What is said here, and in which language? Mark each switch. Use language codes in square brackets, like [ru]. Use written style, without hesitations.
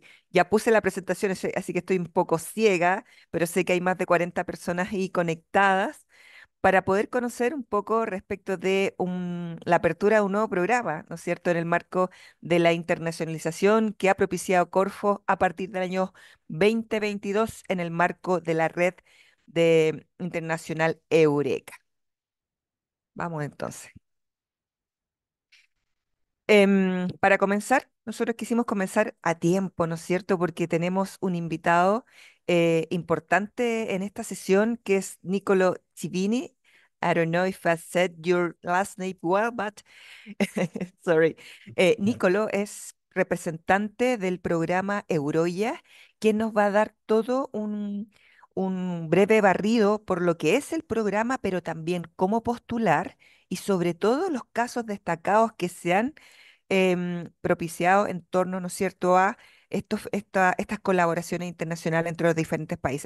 [es] Ya puse la presentación, así que estoy un poco ciega, pero sé que hay más de 40 personas ahí conectadas para poder conocer un poco respecto de la apertura de un nuevo programa, ¿no es cierto?, en el marco de la internacionalización que ha propiciado Corfo a partir del año 2022 en el marco de la red de internacional Eureka. Vamos entonces. Para comenzar, nosotros quisimos comenzar a tiempo, ¿no es cierto?, porque tenemos un invitado importante en esta sesión, que es Niccolò Civini. [en] I don't know if I said your last name well, but sorry. [es] Niccolò es representante del programa Eurogia, quien nos va a dar todo un breve barrido por lo que es el programa, pero también cómo postular y sobre todo los casos destacados que se han propiciado en torno, ¿no es cierto?, a estas colaboraciones internacionales entre los diferentes países.